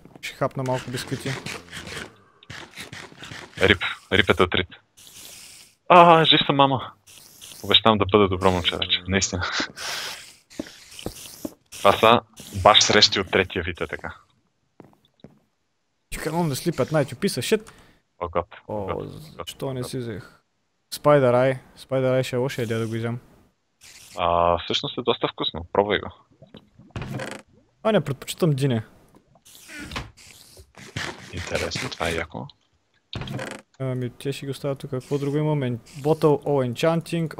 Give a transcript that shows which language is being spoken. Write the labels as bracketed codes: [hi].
[bg] Ще хапна малко бисквити. Рип е тътрит. А, жив съм, мама. Обещавам да бъда добро момче вече, наистина. Това са баш срещи от третия вид, така. [en] You can only sleep at night, you piece of shit. [bg] О, гот. О, защо не си взех? Spider Eye ще е лоша идея да го изям. А, всъщност е доста вкусно, пробвай го. А, не, предпочитам Дине. Интересно, това е яко. Ами, те ще ги оставя тук. Какво друго имаме? Bottle of Enchanting.